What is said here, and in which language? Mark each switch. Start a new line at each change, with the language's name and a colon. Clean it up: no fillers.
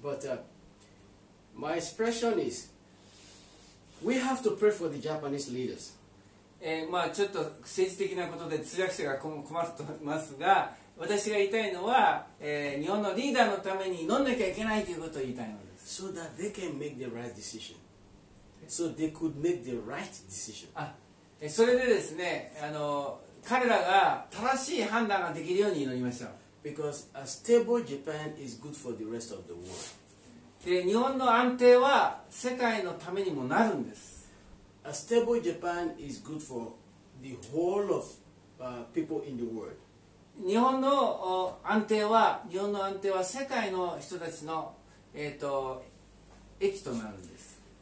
English: But my expression is. We have to pray for the Japanese leaders.
Japanese: まあちょっと政治的なことで通訳者が困っていますが、私が言いたいのは、日本のリーダーのために飲んなきゃいけないということを言いたいのです。
English: So that they can make the right decision. So they could make the right decision.
Japanese: あ、それでですね、あの彼らが正しい判断ができるように祈りましょう。
English: Because a stable Japan is good for the rest of the world.
Japanese: で日本の安定は世界のためにもなるんです。
English: A stable Japan is good for the whole of people in the world.
Japanese: 日本の安定は世界の人たちの益となるんです。